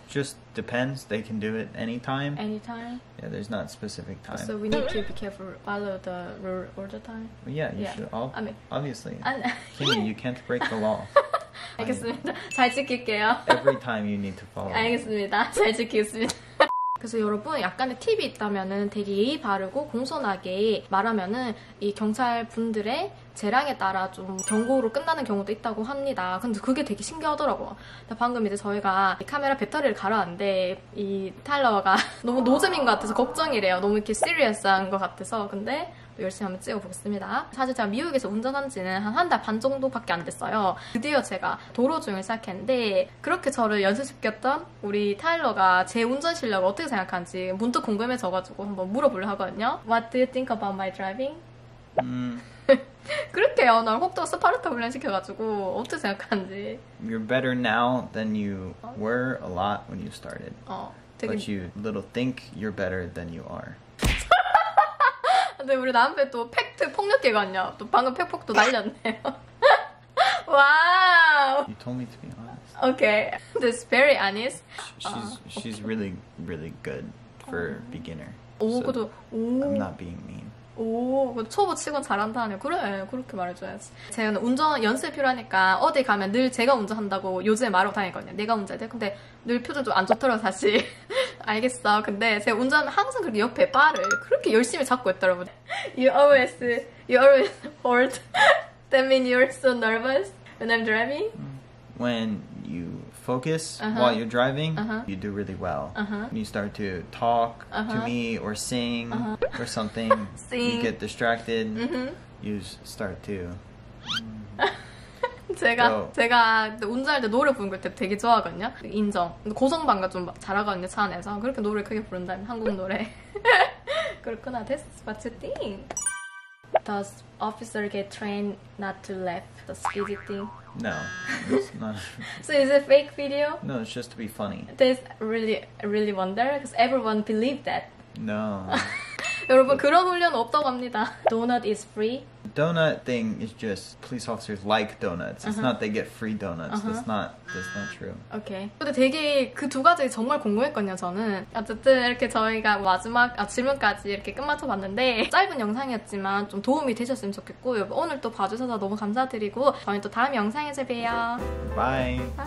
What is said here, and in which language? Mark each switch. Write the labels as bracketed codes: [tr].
[en] Just depends. They can do it anytime. Anytime? Yeah, there's not specific time. So we need to be careful, follow the rule all the time? Yeah, you should. All, I mean, obviously. you can't break the law. [ko] 알겠습니다. 잘 지킬게요. [en] Every time you need to follow. [ko] 알겠습니다. 잘 지키겠습니다. 그래서 여러분 약간의 팁이 있다면은 되게 예의 바르고 공손하게 말하면은 이 경찰분들의 재량에 따라 좀 경고로 끝나는 경우도 있다고 합니다. 근데 그게 되게 신기하더라고요. 방금 이제 저희가 이 카메라 배터리를 갈아왔는데 이 타일러가 너무 노잼인 것 같아서 걱정이래요. 너무 이렇게 시리어스한 것 같아서. 근데 열심히 한번 찍어보겠습니다. 사실 제가 미국에서 운전한 지는 한 달 반 정도밖에 안 됐어요. 드디어 제가 도로주행을 시작했는데 그렇게 저를 연습시켰던 우리 타일러가 제 운전 실력을 어떻게 생각하는지 문득 궁금해져가지고 한번 물어보려 하거든요. [en] What do you think about my driving? [ko] 그렇게요. 난 혹도 스파르타 훈련시켜가지고 어떻게 생각하는지. [en] You're better now than you were a lot when you started. [ko] 되게... [en] But you little think you're better than you are. [ko] 근데 우리 남편 또 팩트 폭력계관이야. 또 방금 팩폭도 날렸네요. 와우. [en] You told me to be honest. Okay. That's very honest. She's okay. really, really good for beginner. [ko] 오, so 그래도, 오. [en] I'm not being mean. [ko] 오, 초보 치곤 잘한다 하네요. 그래, 그렇게 말해줘야지. 제가 운전 연습 필요하니까 어디 가면 늘 제가 운전한다고 요즘에 말하고 다니거든요. 내가 운전해야 돼. 근데 늘 표정 좀 안 좋더라고, 사실. 알겠어. 근데 제가 운전하면 항상 그렇게 옆에 바를 그렇게 열심히 잡고 있더라고. [en] You always hold. That means you're so nervous when I'm driving? When you focus uh-huh. while you're driving, uh-huh. you do really well. Uh-huh. When you start to talk uh-huh. to me or sing uh-huh. or something, sing. You get distracted, mm-hmm. you start to... [ko] 제가 운전할 때 노래 부르는 걸 되게 좋아하거든요. 인정. 고성방가 좀 잘하거든요, 차 안에서. 그렇게 노래 크게 부른다면 한국 노래. 그렇구나, [en] that's what you think. Does officer get trained not to laugh? The speedy thing? No, it's not. So is it fake video? No, it's just to be funny. This really, really wonder because everyone believe that. No. [ko] 여러분 그런 훈련 없다고 합니다. [en] Donut is free. Donut thing is just police officers like donuts. It's uh-huh. not they get free donuts. Uh-huh. That's not true. Okay. [ko] 근데 되게 그 두 가지 정말 궁금했거든요, 저는. 어쨌든 이렇게 저희가 마지막 질문까지 이렇게 끝마쳐봤는데 짧은 영상이었지만 좀 도움이 되셨으면 좋겠고 오늘 또 봐주셔서 너무 감사드리고 저희 또 다음 영상에서 봬요. [en] Bye.